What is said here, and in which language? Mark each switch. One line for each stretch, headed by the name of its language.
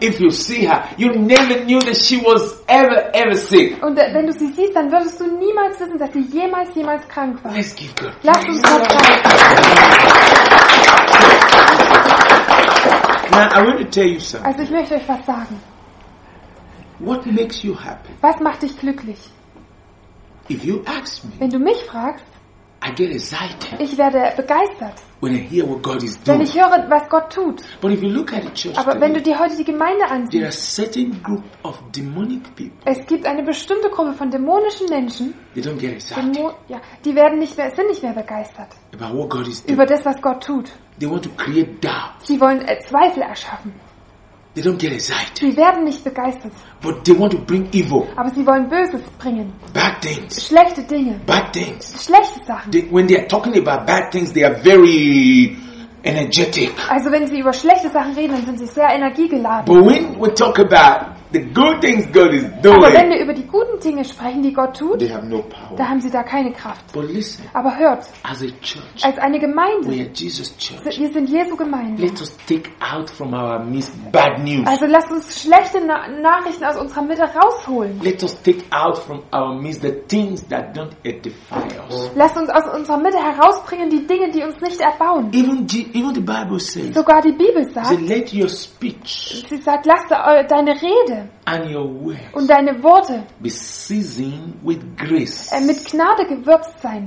English: If you see her, you never knew that she was ever sick.
German: Und wenn du sie siehst, dann würdest du niemals wissen, dass sie jemals krank war.
English: Let's give God praise.
German: Lass uns Gott preisen.
English: Now I want to tell you something.
German: Also ich möchte euch was sagen.
English: What makes you happy?
German: Was macht dich glücklich?
English: If you ask me,
German: wenn du mich fragst,
English: I get excited,
German: ich werde begeistert,
English: when I hear what God is doing.
German: Wenn ich höre, was Gott tut.
English: But if you look at the church,
German: aber wenn du dir heute die Gemeinde ansiehst,
English: there are certain group of demonic people.
German: Es gibt eine bestimmte Gruppe von dämonischen Menschen,
English: they don't get excited.
German: Die werden nicht mehr begeistert
English: about what God is doing.
German: Über das, was Gott tut.
English: They want to create doubt.
German: Sie wollen Zweifel erschaffen.
English: They don't get excited.
German: Sie werden nicht begeistert.
English: But they want to bring evil.
German: Aber sie wollen Böses bringen.
English: Bad things.
German: Schlechte Dinge.
English: Bad things.
German: Schlechte Sachen.
English: They, when they are talking about bad things, they are very energetic.
German: Also wenn sie über schlechte Sachen reden, dann sind sie sehr energiegeladen.
English: But when we talk about the good things God is doing,
German: aber wenn wir über die guten Dinge sprechen, die Gott tut,
English: they have no power.
German: Da haben sie da keine Kraft.
English: But listen,
German: aber hört,
English: as a church,
German: als eine Gemeinde,
English: we are Jesus church,
German: wir sind Jesu Gemeinde.
English: Let us take out from our midst bad news.
German: Also lasst uns schlechte Nachrichten aus unserer Mitte rausholen.
English: Let us take out from our midst the things that don't edify us.
German: Lasst uns aus unserer Mitte herausbringen die Dinge, die uns nicht erbauen.
English: Even the Bible says,
German: sogar die Bibel sagt,
English: let your speech,
German: sie sagt, lasst deine Rede
English: and your words
German: und deine Worte
English: be seasoned with grace,
German: mit Gnade gewürzt sein,